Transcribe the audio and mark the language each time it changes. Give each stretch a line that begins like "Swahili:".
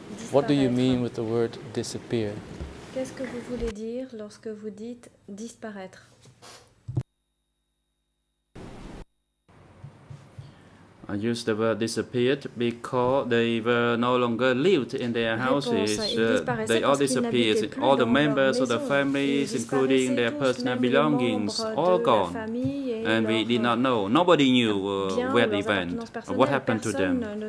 English: What do you mean with the word disappear?
French: Qu'est-ce que vous voulez dire lorsque vous dites disparaître?
English: I use the word disappeared because they were no longer lived in their houses. They all disappeared. All the members of the families, including their personal belongings, all gone. And we did not know. Nobody knew where they went or what happened to them.